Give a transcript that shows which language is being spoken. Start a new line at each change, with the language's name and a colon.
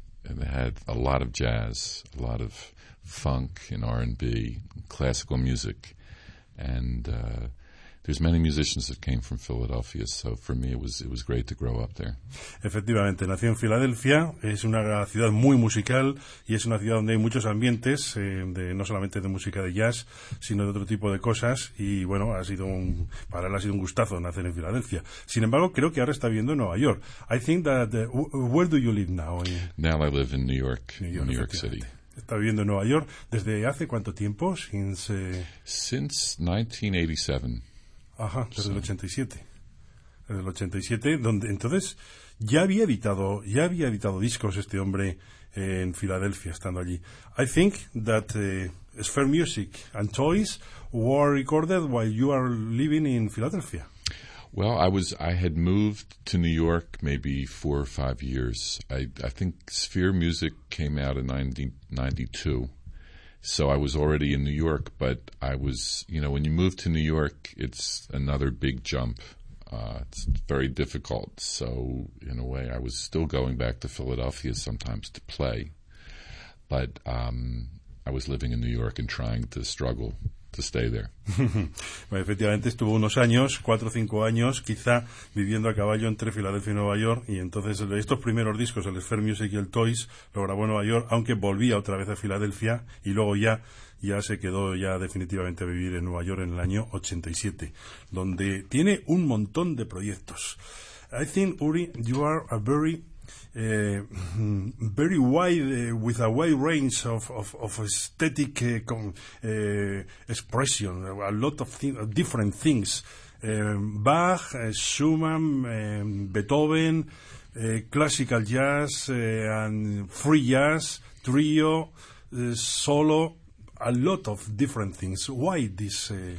English: And they had a lot of jazz, a lot of funk and R&B, classical music. And there's many musicians that came from Philadelphia, so for me it was great to grow up there.
Spanish: Efectivamente, nací en Filadelfia, es una ciudad muy musical y es una ciudad donde hay muchos ambientes, no solamente de música de jazz, sino de otro tipo de cosas, y bueno, ha sido un gustazo nacer en Filadelfia. Sin embargo, creo que ahora está viviendo en Nueva York.
English: I think that, where do you live now? Now I live in New York City.
Spanish: está viviendo en Nueva York. ¿Desde hace cuánto tiempo?
English: Since 1987.
Spanish: Ajá, desde el 87. Desde el 87, donde entonces ya había editado discos este hombre en Filadelfia, estando allí.
English: I think that Sfer Music and Toys were recorded while you are living in Philadelphia. Well, I had moved to New York maybe 4 or 5 years. I think Sfer Music came out in 1992, so I was already in New York, but I was, you know, when you move to New York, it's another big jump. It's very difficult, so in a way I was still going back to Philadelphia sometimes to play, but I was living in New York and trying to struggle to stay there.
Spanish: Bueno, efectivamente estuvo unos años, 4 o 5 años, quizá viviendo a caballo entre Filadelfia y Nueva York, y entonces estos primeros discos, el Sfer Music y el Toys, lo grabó en Nueva York, aunque volvía otra vez a Filadelfia, y luego ya se quedó ya definitivamente a vivir en Nueva York en el año 87, donde tiene un montón de proyectos.
English: I think, Uri, you are a very very wide with a wide range of aesthetic expression, a lot of different things. Bach, Schumann, Beethoven, classical jazz, and free jazz, trio, solo, a lot of different things. Why this?